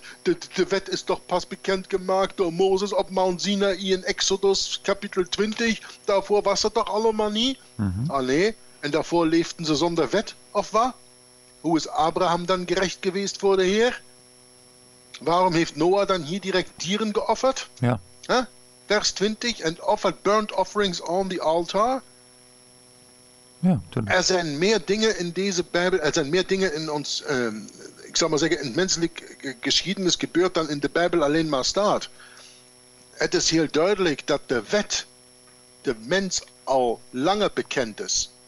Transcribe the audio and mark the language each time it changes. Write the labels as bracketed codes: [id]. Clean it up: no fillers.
[nl] De wet is toch pas bekend gemaakt door Mozes op Mount Sinai in Exodus kapitel 20. Daarvoor was het toch allemaal niet? Mm-hmm. Allee. En daarvoor leefden ze zonder wet, of wat? Hoe is Abraham dan gerecht geweest voor de Heer? Waarom heeft Noah dan hier direct dieren geofferd? Ja. Huh? Vers 20, [en] and offered burnt offerings on the altar. [nl] Ja, er zijn meer dingen in deze Bijbel, er zijn meer dingen in ons, ik zal maar zeggen, in menselijk geschiedenis gebeurd dan in de Bijbel alleen maar staat. Het is heel duidelijk dat de wet de mens al langer bekend is.